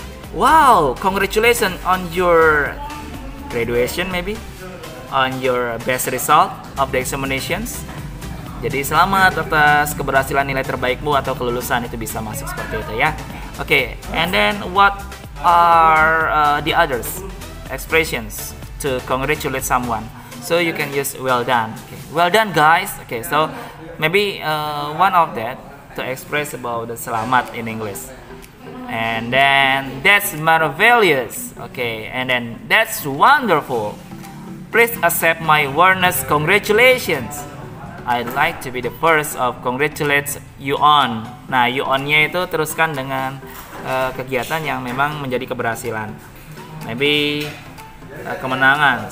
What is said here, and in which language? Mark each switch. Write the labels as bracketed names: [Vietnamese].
[English] Wow, congratulations on your graduation, maybe on your best result of the examinations. [Indonesian] Jadi selamat atas keberhasilan nilai terbaikmu atau kelulusan, itu bisa masuk seperti itu, ya. [English] Okay, and then what are the others expressions to congratulate someone? So you can use well done. Okay. Well done, guys. Okay, so maybe one of that to express about the selamat in English, and then that's marvelous. Okay, and then that's wonderful. Please accept my warmest congratulations. I'd like to be the first of congratulate you on. [Indonesian] Nah, you on-nya itu teruskan dengan kegiatan yang memang menjadi keberhasilan, maybe kemenangan.